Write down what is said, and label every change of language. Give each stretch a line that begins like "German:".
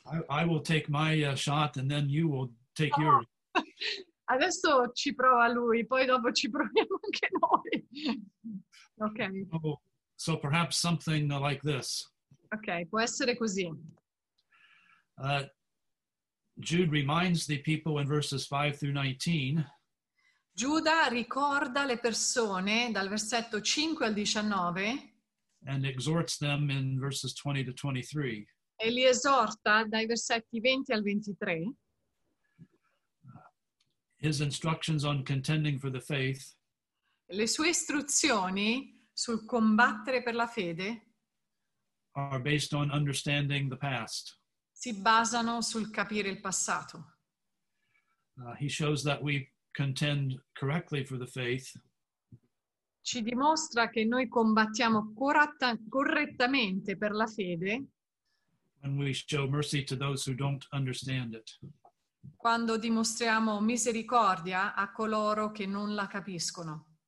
English: I will take my shot and then you will take yours.
Italian: Adesso ci prova lui, poi dopo ci proviamo anche noi.
English: Okay. So perhaps something like this.
Italian: Okay, può essere così.
English: Jude reminds the people in verses 5 through 19.
Italian: Giuda ricorda le persone dal versetto 5 al 19.
English: And exhorts them in verses 20 to 23.
Italian: E li esorta dai versetti 20 al 23.
English: His instructions on contending for the faith.
Italian: Le sue istruzioni sul combattere per la fede
English: are based on understanding the past.
Italian: Si basano sul capire il passato.
English: He shows that we contend correctly for the faith.
Italian: Ci dimostra che noi combattiamo correttamente per la fede.
English: When we show mercy to those who don't understand it.
Italian: Quando dimostriamo misericordia a coloro che non la capiscono.